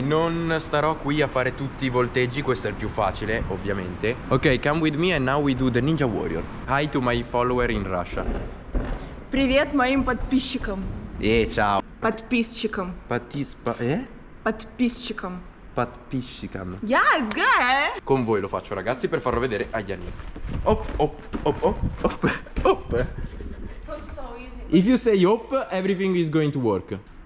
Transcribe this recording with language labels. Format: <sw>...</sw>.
<it>Ok, non starò qui a fare tutti i volteggi, questo è il più facile, ovviamente.</it> <en>Ok, come with me and now we do the Ninja Warrior. Hi to my follower in Russia.</en> <ru>Привет моим подписчикам.</ru> <it>Ciao.</it> <ru>Подписчикам. Подписчикам. Подписчикам.</ru> <en>Yeah, it's good, eh?</en> <it>Con voi lo faccio, ragazzi, per farlo vedere agli anni. Hop, hop, hop, hop, hop.</it> <en>If you say hop, everything is going to work.</en>